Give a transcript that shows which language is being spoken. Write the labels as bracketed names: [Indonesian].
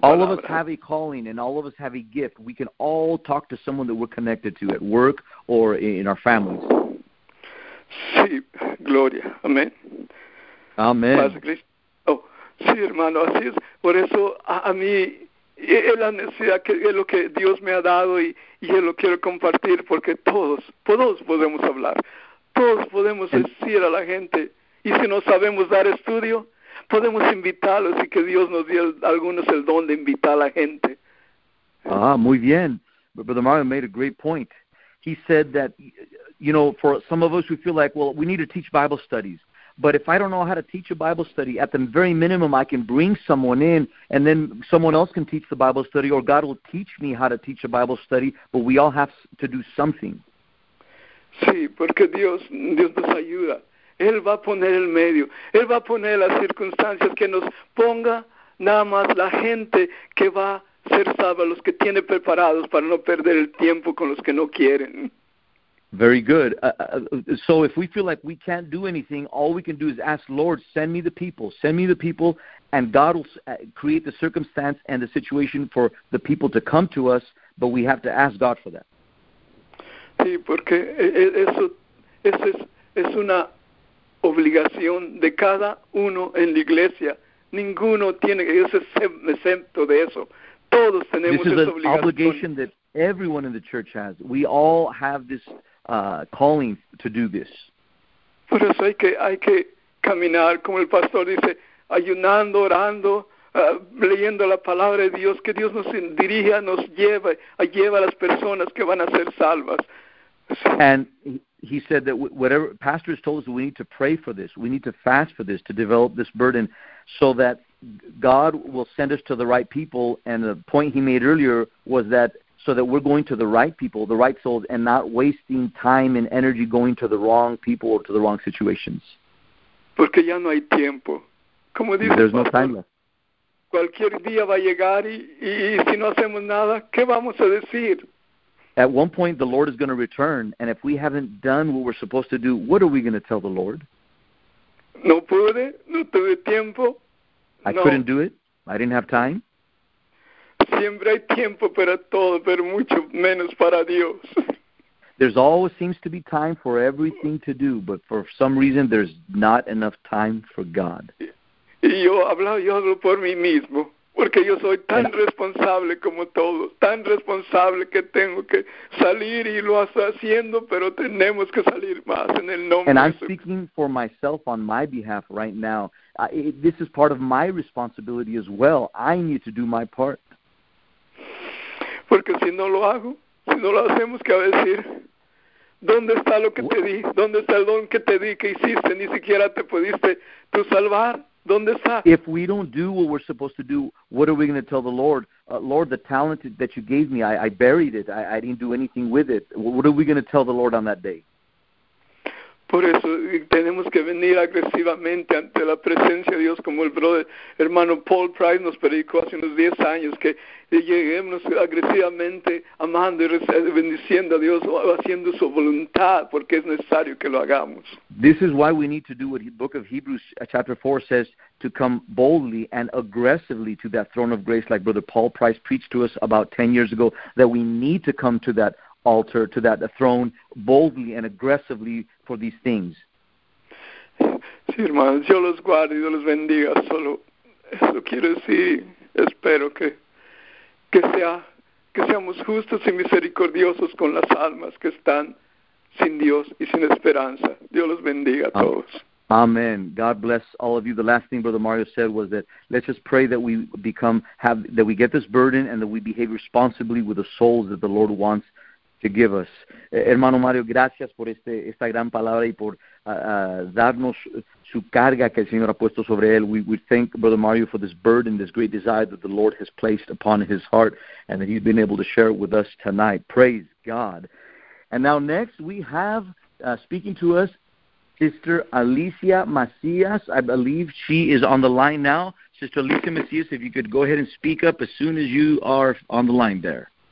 [English] All of us [Spanish] palabra. [English] have a calling and all of us have a gift. We can all talk to someone that we're connected to at work or in our families. [Spanish] Sí, gloria. Amén. Paz, Amén. Cristo. Oh, sí, hermano, así es. Por eso a mí es la necesidad, que es lo que Dios me ha dado y yo lo quiero compartir, porque todos podemos hablar. Todos podemos decir a la gente. Y si no sabemos dar estudio, podemos invitarlos y que Dios nos dé a algunos el don de invitar a la gente. Ah, muy bien. [English] Brother Mario made a great point. He said that, for some of us, we feel like, well, we need to teach Bible studies. But if I don't know how to teach a Bible study, at the very minimum, I can bring someone in and then someone else can teach the Bible study, or God will teach me how to teach a Bible study, but we all have to do something. [Spanish] Sí, porque Dios nos ayuda. Él va a poner el medio, Él va a poner las circunstancias, que nos ponga nada más la gente que va a ser salva, los que tiene preparados, para no perder el tiempo con los que no quieren. [English] Very good. So if we feel like we can't do anything, all we can do is ask, Lord, send me the people, and God will create the circumstance and the situation for the people to come to us, but we have to ask God for that. [Spanish] Sí, porque eso es una obligación de cada uno en la iglesia. Ninguno tiene, es exento de eso. Todos [English] This [Spanish] tenemos [English] is [Spanish] esa [English] an [Spanish] obligación. [English] obligation that everyone in the church has. We all have this calling to do this. [Spanish] Por eso hay que caminar, como el pastor dice, ayunando, orando, leyendo la palabra de Dios, que Dios nos dirija, nos lleve, lleva a las personas que van a ser salvas. [English] And he said that whatever pastors told us that we need to pray for this, we need to fast for this, to develop this burden so that God will send us to the right people. And the point he made earlier was that so that we're going to the right people, the right souls, and not wasting time and energy going to the wrong people or to the wrong situations. [Spanish] Porque ya no hay tiempo. Como dice el [English] There's no time [Spanish] pastor, [English] left. [Spanish] cualquier día va a llegar y si no hacemos nada, ¿qué vamos a decir? [English] At one point, the Lord is going to return, and if we haven't done what we're supposed to do, what are we going to tell the Lord? [Spanish] No pude, no tuve tiempo, [English] I couldn't [Spanish] no. [English] do it. I didn't have time. [Spanish] Siempre hay tiempo para todo, pero mucho menos para Dios. [English] There's always seems to be time for everything to do, but for some reason, there's not enough time for God. [Spanish] Y yo hablo por mí mismo, porque yo soy tan responsable como todos, tan responsable que tengo que salir y lo estoy haciendo, pero tenemos que salir más en el [English] And [Spanish] nombre de [English] I'm [Spanish] Jesucristo. [English] speaking for myself on my behalf right now. This is part of my responsibility as well. I need to do my part. [Spanish] Porque si no lo hago, si no lo hacemos, ¿qué va a decir? ¿Dónde está lo que te di? ¿Dónde está el don que te di, que hiciste? Ni siquiera te pudiste tú salvar. ¿Dónde está? [English] If we don't do what we're supposed to do, what are we going to tell the Lord? Lord, the talent that you gave me, I buried it. I didn't do anything with it. What are we going to tell the Lord on that day? [Spanish] Por eso tenemos que venir agresivamente ante la presencia de Dios, como hermano Paul Price nos predicó hace unos 10 años, que lleguemos agresivamente amando y bendiciendo a Dios, haciendo su voluntad, porque es necesario que lo hagamos. [English] This is why we need to do what the book of Hebrews chapter 4 says, to come boldly and aggressively to that throne of grace, like Brother Paul Price preached to us about 10 years ago, that we need to come to that altar, to that throne, boldly and aggressively for these things. [Spanish] Sí, hermanos, yo los guardo y yo los bendiga, solo Eso quiero decir, espero que seamos justos y misericordiosos con las almas que están sin Dios y sin esperanza. Dios los bendiga a todos. [English] Amen. God bless all of you. The last thing Brother Mario said was that let's just pray that we become have that we get this burden and that we behave responsibly with the souls that the Lord wants to give us. [Spanish] Hermano Mario, gracias por esta gran palabra y por darnos su carga que el Señor ha puesto sobre él. [English] We thank Brother Mario for this burden, this great desire that the Lord has placed upon his heart and that he's been able to share it with us tonight. Praise God. And now next we have speaking to us Sister Alicia Macias. I believe she is on the line now. Sister Alicia Macias, if you could go ahead and speak up as soon as you are on the line there.